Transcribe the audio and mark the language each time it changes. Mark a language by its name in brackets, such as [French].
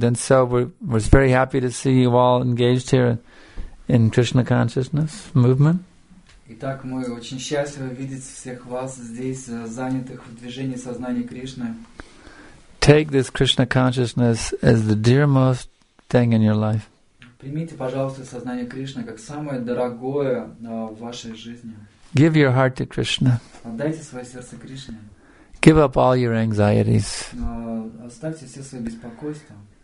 [English] Then so we're very happy to see you all engaged here in Krishna consciousness movement. [Russian] Итак, мы очень счастливы видеть всех вас здесь, занятых в движении сознания Кришны. [English] Take this Krishna consciousness as the dearmost thing in your life. [Russian] Примите, пожалуйста, сознание Кришны как самое дорогое в вашей жизни. [English] Give your heart to Krishna. [Russian] Отдайте свое сердце Кришне. [English] Give up all your anxieties. [Russian] Оставьте все свои беспокойства.